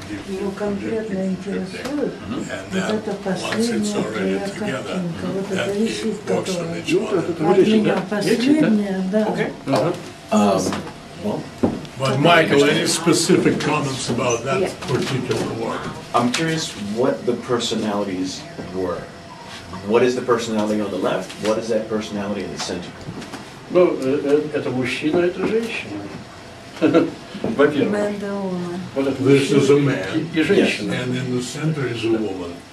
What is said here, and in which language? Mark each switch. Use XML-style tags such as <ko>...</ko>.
<ru>Его конкретно интересует, вот это последняя картинка, вот это висит, которая от меня последняя, да.</ru> <en>But Michael, any specific comments about that particular work? I'm curious what the personalities were. What is the personality on the left? What is that personality in the center?</en> <ru>Well, это мужчина, это женщина.</ru> <en>This is a man, and in the center is a woman.</en>